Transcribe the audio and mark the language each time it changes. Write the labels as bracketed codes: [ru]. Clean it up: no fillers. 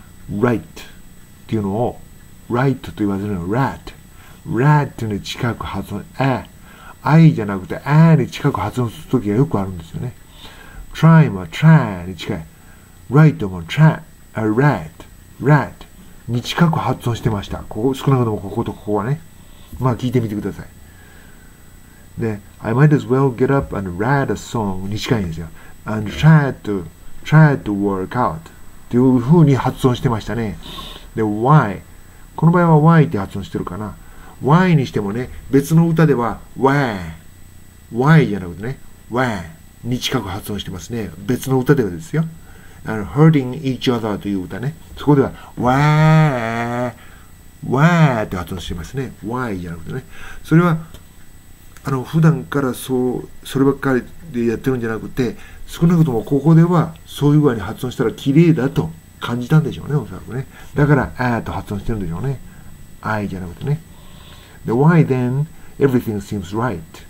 [ja] Right っていうのを Right と言わずに Rat、 Rat っていうのに近く発音、I じゃなくて A に近く発音するときがよくあるんですよね。 Try も Try に近い、 Right も Try、 Rat、 Rat に近く発音してました。ここ少なくともこことここはね、まあ聞いてみてください。で、 [en] I might as well get up and write a song [ja] に近いんですよ。 [en] And try to work out [ja] という風に発音してましたね。で、why、 この場合は why って発音してるかな。why にしてもね、別の歌では why じゃなくてね、 why に近く発音してますね。別の歌ではですよ。 [en] And hurting each other [ja] という歌ね、そこでは why って発音してますね。 why じゃなくてね、それはあの普段からそればっかりでやってるんじゃなくて、少なくともここではそういう具合に発音したら綺麗だと感じたんでしょうね、おそらくね。だから、と発音してるんでしょうね。 I じゃなくてね。 [en] で、why then everything seems right?